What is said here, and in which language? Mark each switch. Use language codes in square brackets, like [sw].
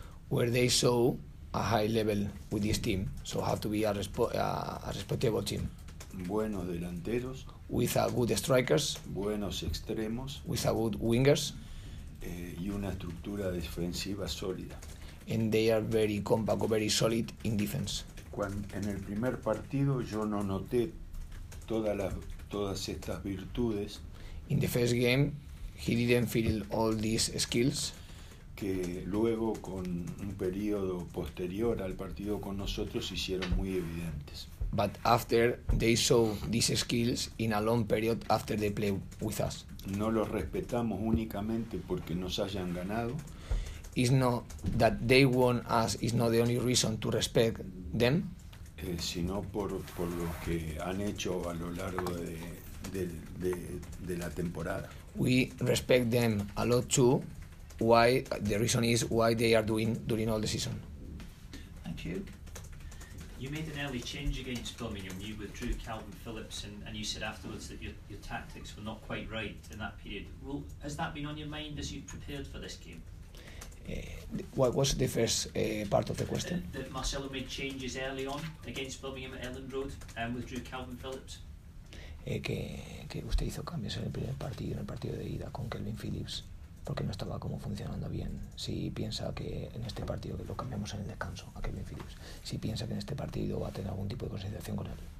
[en] Where they saw a high level with this team, so have to be a respectable team. [es] Buenos delanteros. [en] With a good strikers. [es] Buenos extremos. [en] With a good wingers. [es] Y una estructura defensiva sólida. [en] And they are very compact, very solid in defense. [es] Cuando, en el primer partido yo no noté todas estas virtudes. [en] In the first game, he didn't feel all these skills. [es] Que luego con un periodo posterior al partido con nosotros hicieron muy evidentes. [en] But after they saw these skills in a long period after they play with us. [es] No los respetamos únicamente porque nos hayan ganado. [en] Is not that they won us is not the only reason to respect them. [es] Sino por lo que han hecho a lo largo de la temporada. [en] We respect them a lot too. Why the reason is why they are doing during all the season. Thank you. You made an early change against Birmingham. You withdrew Calvin Phillips, and you said afterwards that your tactics were not quite right in that period. Well, has that been on your mind as you prepared for this game? What was the first part of the question? That Marcelo made changes early on against Birmingham at Elland Road and withdrew Calvin Phillips. [es] Que usted hizo cambios en el primer partido, en el partido de ida con Calvin Phillips, porque no estaba como funcionando bien. Si piensa que en este partido que lo cambiamos en el descanso a Calvin Phillips, si piensa que en este partido va a tener algún tipo de consideración con él.